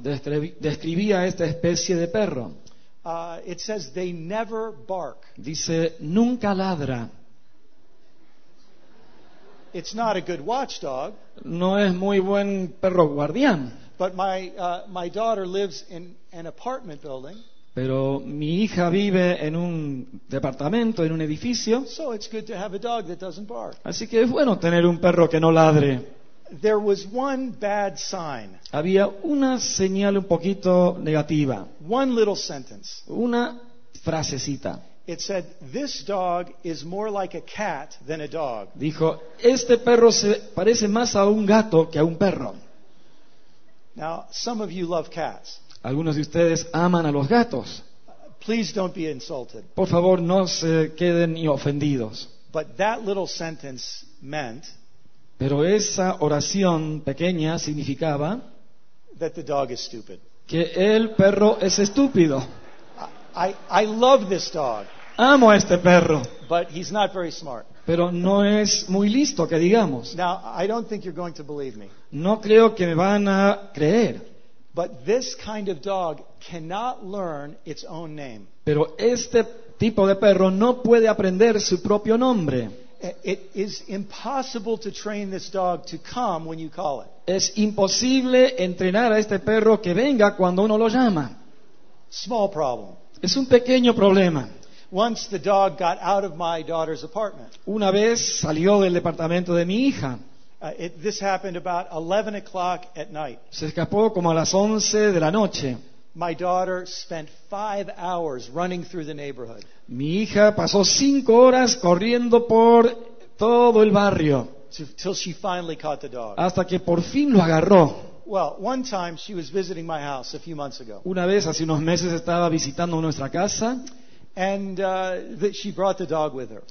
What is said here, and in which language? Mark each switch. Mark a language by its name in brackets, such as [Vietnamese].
[Spanish] Describía esta especie de perro. [English] It says they never bark. [Spanish] Dice nunca ladra. [English] It's not a good watchdog. [Spanish] No es muy buen perro guardián. [English] But my daughter lives in an apartment building. [Spanish] Pero mi hija vive en un departamento, en un edificio. [English] So it's good to have a dog that doesn't bark. [Spanish] Así que es bueno tener un perro que no ladre. [English] There was one bad sign. [Spanish] Había una señal un poquito negativa. [English] One little sentence. [Spanish] Una frasecita. [English] It said, "This dog is more like a cat than a dog." [Spanish] Dijo, este perro se parece más a un gato que a un perro. [English] Now, some of you love cats. [Spanish] Algunos de ustedes aman a los gatos. [English] Please don't be insulted. [Spanish] Por favor, no se queden ni ofendidos. [English] But that little sentence meant. [Spanish] Pero esa oración pequeña significaba. [English] That the dog is stupid. [Spanish] Que el perro es estúpido. [English] I love this dog. [Spanish] Amo a este perro. [English] But he's not very smart. [Spanish] Pero no es muy listo, que digamos. [English] Now, I don't think you're going to believe me. [Spanish] No creo que me van a creer. [English] But this kind of dog cannot learn its own name. [Spanish] Pero este tipo de perro no puede aprender su propio nombre. [English] It is impossible to train this dog to come when you call it. [Spanish] Es imposible entrenar a este perro que venga cuando uno lo llama. [English] Small problem. [Spanish] Es un pequeño problema. [English] Once the dog got out of my daughter's apartment. [Spanish] Una vez salió del departamento de mi hija. [English] This happened about 11 o'clock at night. [Spanish] Se escapó como a las 11 de la noche. [English] My daughter spent 5 hours running through the neighborhood. [Spanish] Mi hija pasó 5 horas corriendo por todo el barrio. [English] Till she finally caught the dog. [Spanish] Hasta que por fin lo agarró. [English] Well, one time she was visiting my house a few months ago. [Spanish] Una vez hace unos meses estaba visitando nuestra casa. [English] And she brought the dog with her.